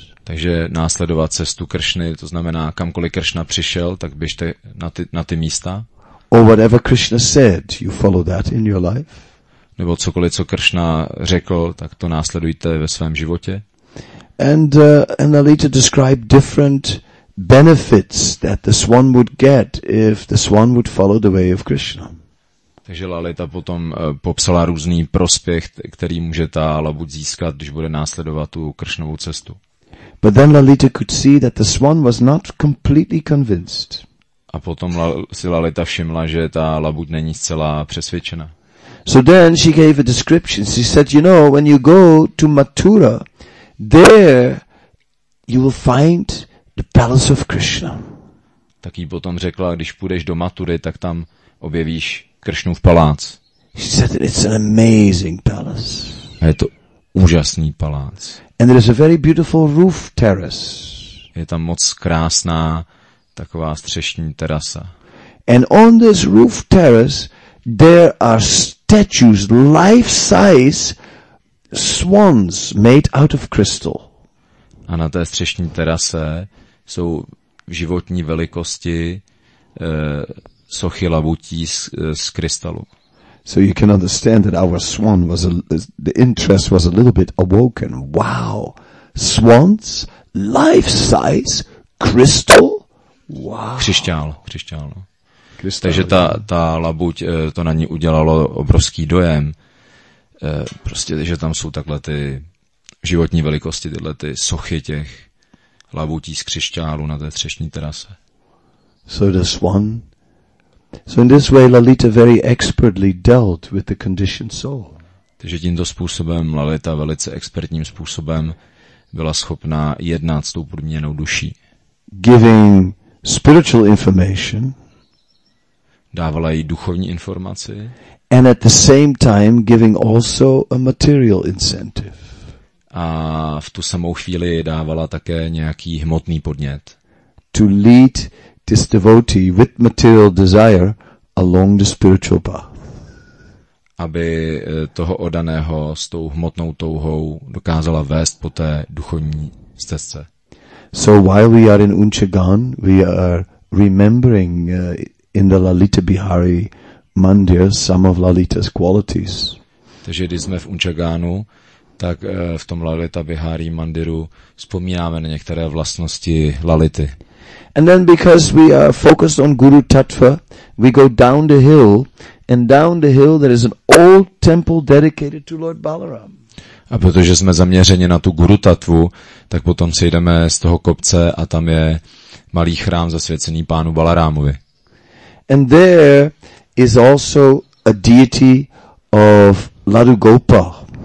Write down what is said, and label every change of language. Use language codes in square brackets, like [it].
[cs] Takže následovat cestu Kršny, to znamená kamkoliv Kršna přišel, tak běžte na ty místa. [en] Or whatever Krishna said, you follow that in your life. [cs] Nebo cokoliv, co Kršna řekl, tak to následujte ve svém životě. [en] And Lalita described different benefits that the swan would get if the swan would follow the way of Krishna. [cs] Takže Lalita potom popsala různý prospěch, který může ta labuť získat, když bude následovat tu Kršnovou cestu. [en] But then Lalita could see that the swan was not completely convinced. [cs] A potom si Lalita všimla, že ta labuť není zcela přesvědčena. [en] So then she gave a description. She said, you know, when you go to Mathura, there you will find the palace of Krishna. [cs] Tak jí potom řekla, když půjdeš do Mathury, tak tam objevíš Kršnův palác. [en] She said, it's an amazing palace. [cs] A je to úžasný palác. [en] And there is a very beautiful roof terrace. [cs] Je tam moc krásná taková střešní terasa. [en] And on this roof terrace there are statues, life-size swans made out of crystal. [cs] A na té střešní terase jsou životní velikosti sochy labutí z krystalu. [en] So you can understand that our swan was the interest was a little bit awoken. Wow, swans, life-size crystal. Wow. [cs] Křišťál. Krystal. Takže ta labuť to na ní udělalo obrovský dojem. Prostě, že tam jsou takhle ty životní velikosti, tyhle ty sochy těch labutí z křišťálu na té třešní terase. [en] So the swan. So in this way Lalita very expertly dealt with the conditioned soul. [cs] Takže tímto způsobem Lalita velice expertním způsobem byla schopná jednat s tou podmíněnou duší. [en] Giving spiritual information. [cs] Dávala jí duchovní informaci. [en] And at the same time giving also a material incentive. [cs] A v tu samou chvíli dávala také nějaký hmotný podnět. [en] To lead this devotee with material desire along the spiritual path. [cs] Aby toho oddaného s tou hmotnou touhou dokázala vést po té duchovní stezce. [en] So while we are in Unchagan, we are remembering in the Lalita Bihari Mandir some of Lalita's qualities. [cs] Takže když jsme v Unchaganu, tak v tom Lalita Bihari Mandiru vzpomínáme na některé vlastnosti Lality. [en] And then because we are focused on Guru Tattva, we go down the hill, and down the hill there is an old temple dedicated to Lord Balaram. [cs] A protože jsme zaměřeni na tu Guru Tattvu, tak potom sejdeme z toho kopce a tam je malý chrám zasvěcený pánu Balarámovi. [en] And there is also a deity of Ladu Gopal.